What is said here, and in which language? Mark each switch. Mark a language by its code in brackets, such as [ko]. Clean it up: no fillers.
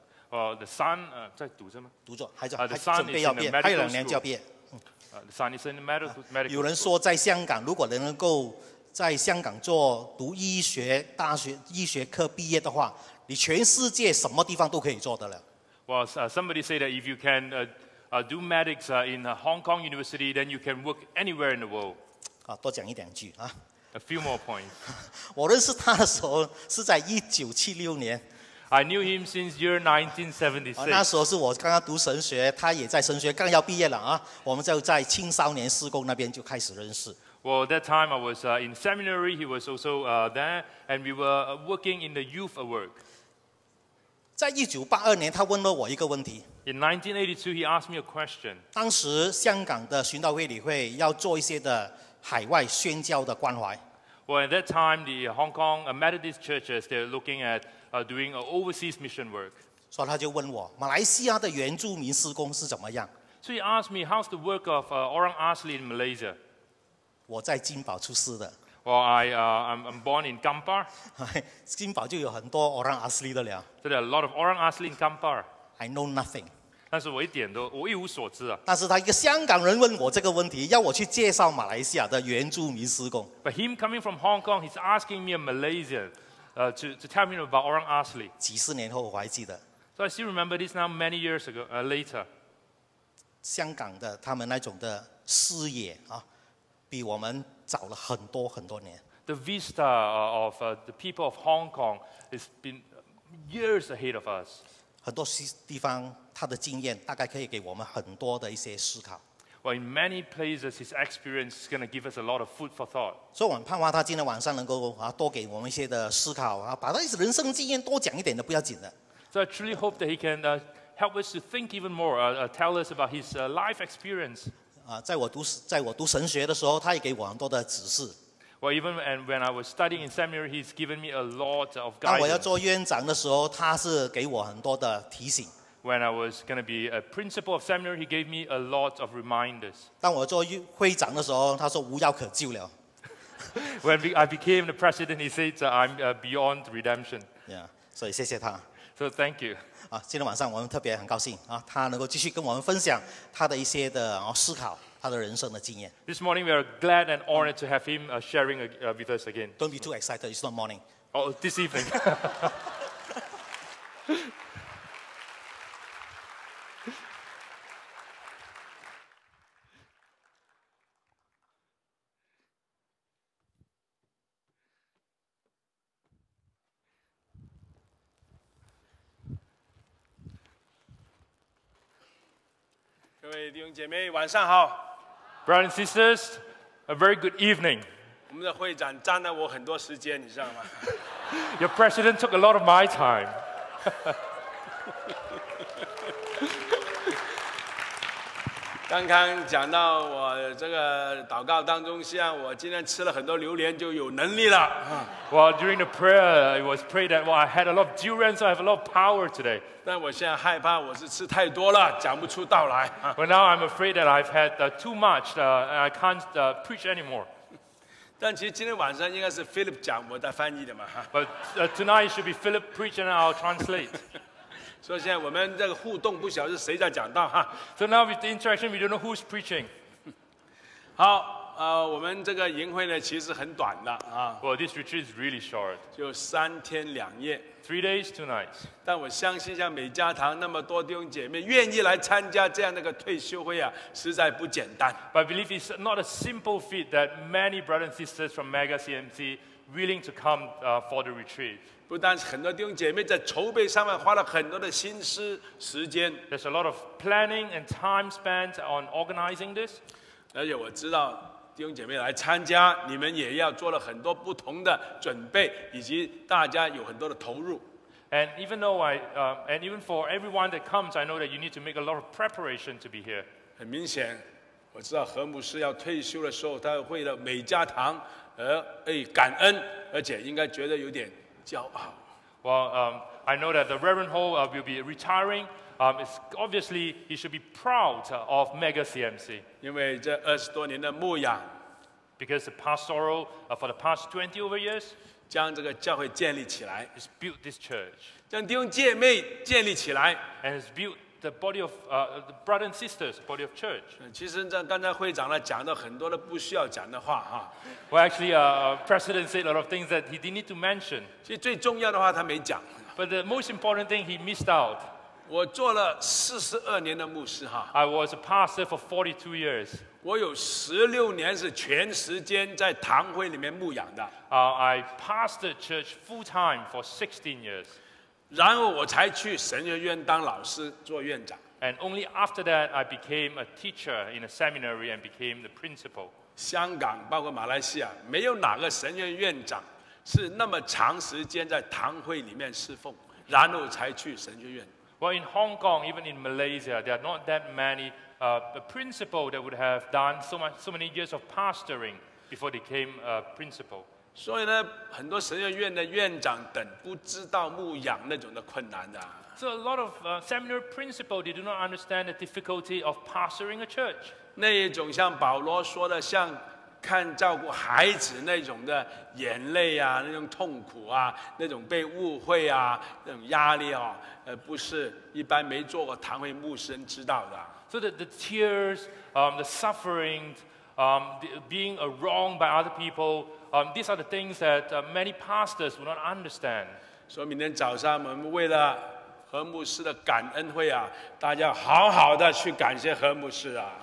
[en] The son [zh] 在读着吗？读着，孩子还准备要毕业，还有两年就要毕业。 [en] The son is in the medical school. [zh] 有人说在香港，如果能够在香港做读医学大学医学科毕业的话，你全世界什么地方都可以做得了。 [en] Well, somebody said that if you can do medics in Hong Kong University, then you can work anywhere in the world. [zh] 啊，多讲一两句啊。 [en] A few more points. [zh] 我认识他的时候是在1976年。 [en] I knew him since year 1976. [zh] 那时候是我刚刚读神学，他也在神学刚要毕业了啊。我们就在青少年事工那边就开始认识。 [en] Well, that time I was in seminary, he was also there, and we were working in the youth work. [zh] 在1982年，他问了我一个问题。 [en] In 1982, he asked me a question. [zh] 当时香港的宣道会理会要做一些的海外宣教的关怀。 [en] Well, at that time, the Hong Kong Methodist churches, they're looking at doing an overseas mission work. [zh] 所以他就问我，马来西亚的原住民施工是怎么样？ [en] So he asked me, how's the work of Orang Asli in Malaysia? [zh] 我在金宝出世的。 [en] Well, I'm born in Kampar. [zh] 金宝就有很多 Orang Asli 的了。 [en] So there are a lot of Orang Asli in Kampar. I know nothing. [zh] 但是我一点都，我一无所知啊。但是他一个香港人问我这个问题，要我去介绍马来西亚的原住民施工。 [en] But him coming from Hong Kong, he's asking me a Malaysian, to tell me about Orang Asli. [zh] 几十年后我还记得。 [en] So I still remember this now many years ago, later. [zh] 香港的他们那种的视野啊。比我们早了很多很多年。 [en] The vista of the people of Hong Kong has been years ahead of us. [zh] 很多地方他的经验大概可以给我们很多的一些思考。 [en] Well, in many places, his experience is going to give us a lot of food for thought. [zh] 所以我们盼望他今天晚上能够多给我们一些的思考，把他一些人生经验多讲一点的，不要紧的。 [en] So I truly hope that he can help us to think even more, tell us about his life experience. [zh] 在我读神学的时候，他也给我很多的指示。 [en] Well, even when I was studying in seminary, he's given me a lot of guidance. [zh] 当我要做院长的时候，他是给我很多的提醒。 [en] When I was going to be a principal of seminary, he gave me a lot of reminders. [zh] 当我做会长的时候，他说无药可救了。 [en] When I became the president, he said I'm beyond redemption. [zh] Yeah, 所以谢谢他。 [en] So thank you. [zh] 今天晚上我们特别很高兴，他能够继续跟我们分享他的一些的思考，他的人生的经验。 [en] This morning we are glad and honored to have him sharing with us again. Don't be too excited. It's not morning. Oh, this evening. Brothers and sisters, a very good evening. Your president took a lot of my time. Well, during the prayer, it was prayed that I had a lot of durian, so I have a lot of power today. [zh] 但我现在害怕我是吃太多了，讲不出道来。 [en] Well, now I'm afraid that I've had too much, and I can't preach anymore. [zh] 但其实今天晚上应该是 Philip 讲，我在翻译的嘛。 [en] But tonight it should be Philip preaching, and I'll translate. [zh] 所以现在我们这个互动不晓得是谁在讲道哈。 [en] So now with the interaction, we don't know who's preaching. [zh] 好，我们这个营会呢其实很短的啊。 [en] Well, this retreat is really short. [zh] 就三天两夜。 [en] Three days, two nights. [zh] 但我相信像美加堂那么多弟兄姐妹愿意来参加这样的个退休会啊，实在不简单。 [en] But I believe it's not a simple feat that many brothers and sisters from MegaCMC willing to come for the retreat. [zh] 不但是很多弟兄姐妹在筹备上面花了很多的心思时间。 [en] There's a lot of planning and time spent on organizing this. [zh] 而且我知道弟兄姐妹来参加，你们也要做了很多不同的准备，以及大家有很多的投入。 [en] And even though and even for everyone that comes, I know that you need to make a lot of preparation to be here. [zh] 很明显，我知道何牧师要退休的时候，他为了美加堂而感恩，而且应该觉得有点。 [en] Well, I know that the Reverend Ho will be retiring. It's obviously he should be proud of Mega CMC. Because the pastoral for the past 20 over years. [zh] 将这个教会建立起来。 [en] It's built this church. [zh] 将弟兄姐妹建立起来。 [en] And it's built the body of the brothers and sisters, body of church. [zh] 其实在刚才会长呢讲的很多的不需要讲的话哈。 [en] Well, actually, President said a lot of things that he didn't need to mention. [zh] 其实最重要的话他没讲。 [en] But the most important thing he missed out. [zh] 我做了42年的牧师哈。 [en] I was a pastor for 42 years. [zh] 我有16年是全时间在堂会里面牧养的。 [en] I pastored church full time for 16 years. [zh] 然后我才去神学院当老师做院长。 [en] And only after that, I became a teacher in a seminary and became the principal. [zh] 香港包括马来西亚没有哪个神学院长是那么长时间在堂会里面侍奉，然后才去神学院。 [en] Well, in Hong Kong, even in Malaysia, there are not that many principals that would have done so many years of pastoring before they became a principal. [zh] 所以呢，很多神学院的院长等不知道牧养那种的困难的。 [en] So a lot of seminary principals they do not understand the difficulty of pastoring a church. [zh] 那一种像保罗说的，像看照顾孩子那种的眼泪啊，那种痛苦啊，那种被误会啊，那种压力啊，不是一般没做过堂会牧师知道的。 [en] So the tears, the suffering, being wronged by other people, these are the things that many pastors will not understand. [zh] 所以明天早上我们为了何牧师的感恩会啊，大家好好的去感谢何牧师啊。